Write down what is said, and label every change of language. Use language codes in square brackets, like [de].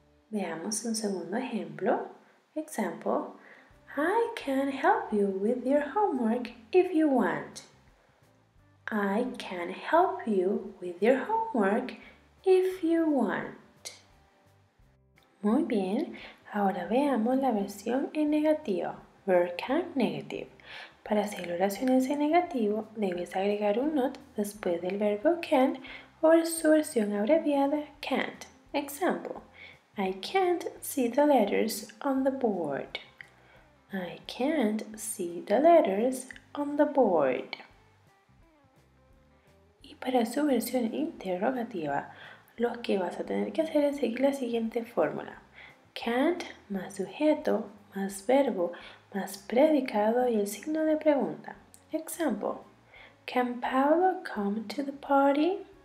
[es] Veamos un segundo ejemplo. [en] Example: I can help you with your homework if you want. I can help you with your homework if you want. [es] Muy bien, ahora veamos la versión en negativo. [en] Verb can negative. [es] Para hacer oraciones en negativo, debes agregar un not después del verbo can o su versión abreviada can't. [en] Example: I can't see the letters on the board. I can't see the letters on the board. [es] Y para su versión interrogativa, lo que vas a tener que hacer es seguir la siguiente fórmula: can't más sujeto más verbo más predicado y el signo de pregunta. [en] Example: can Pablo come to the party?